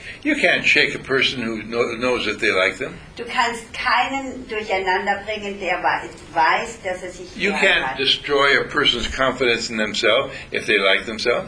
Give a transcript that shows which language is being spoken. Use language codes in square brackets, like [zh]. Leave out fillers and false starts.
[en] You can't shake a person who knows that they like them. [de] Du kannst keinen durcheinander bringen, der weiß, dass er sich. [en] You can't destroy a person's confidence in themselves if they like themselves.